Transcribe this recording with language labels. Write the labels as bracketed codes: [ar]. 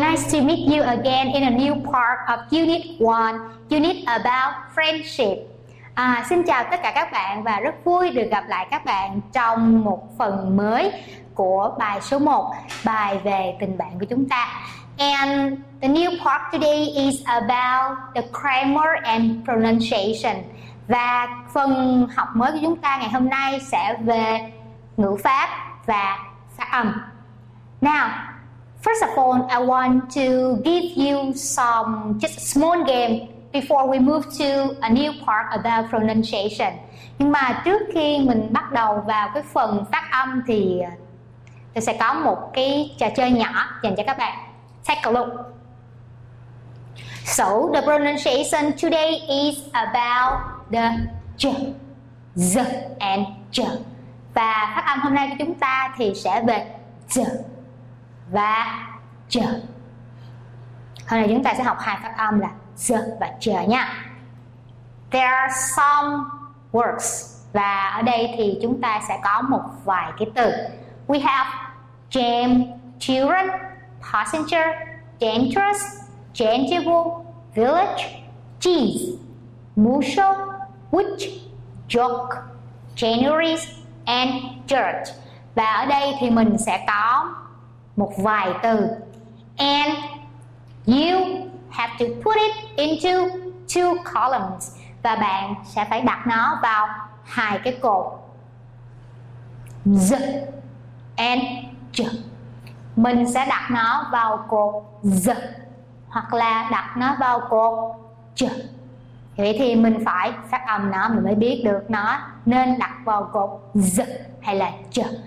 [en] to meet you again in a new part of Unit 1, Unit about friendship. [vi] Xin chào tất cả các bạn và rất vui được gặp lại các bạn trong một phần mới của bài số 1, bài về tình bạn của chúng ta. [en] And the new part today is about the grammar and pronunciation. [vi] Và phần học mới của chúng ta ngày hôm nay sẽ về ngữ pháp và phát âm. [en] Now, first of all, I want to give you some just a small game before we move to a new part about pronunciation. [vi] Nhưng mà trước khi mình bắt đầu vào cái phần phát âm thì tôi sẽ có một cái trò chơi nhỏ dành cho các bạn. [en] Take a look. So the pronunciation today is about the j, z and j. [vi] Và phát âm hôm nay của chúng ta thì sẽ về z và j. Hôm nay chúng ta sẽ học hai phát âm là z và j nha. [en] There are some words. [vi] Và ở đây thì chúng ta sẽ có một vài cái từ. [en] We have jam, children, passenger, dangerous, tangible, village, cheese, mussel, witch, joke, January, and dirt. [vi] Và ở đây thì mình sẽ có một vài từ. [en] And you have to put it into two columns. [vi] Và bạn sẽ phải đặt nó vào hai cái cột. Z and J. Mình sẽ đặt nó vào cột Z hoặc là đặt nó vào cột J. Vậy thì mình phải phát âm nó mình mới biết được nó nên đặt vào cột Z hay là J.